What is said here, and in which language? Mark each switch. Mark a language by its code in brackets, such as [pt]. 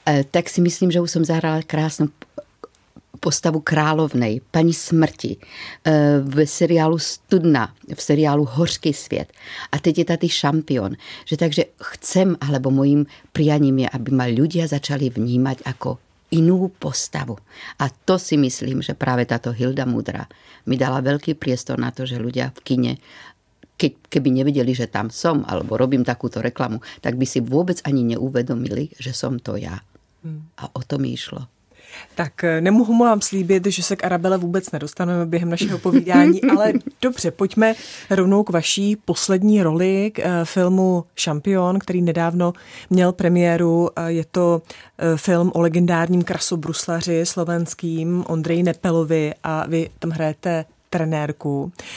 [sk] Tak si myslím, že už som zahrala krásnu postavu královnej, paní smrti, v seriálu Studna, v seriálu Hořký svět. A teď je tady Šampion. Že takže chcem, alebo mojím prianím je, aby ma ľudia začali vnímať ako inú postavu. A to si myslím, že práve táto Hilda Múdra mi dala veľký priestor na to, že ľudia v kine, keby nevedeli, že tam som, alebo robím takúto reklamu, tak by si vôbec ani neuvedomili, že som to ja. A o to mi išlo. [cs] Tak nemohu vám slíbit, že se k Arabele vůbec nedostaneme během našeho povídání, ale dobře, pojďme rovnou k vaší poslední roli k filmu Šampion, který nedávno měl premiéru. Je to film o legendárním krasobruslaři slovenským Ondreji Nepelovi a vy tam hrajete trenérku.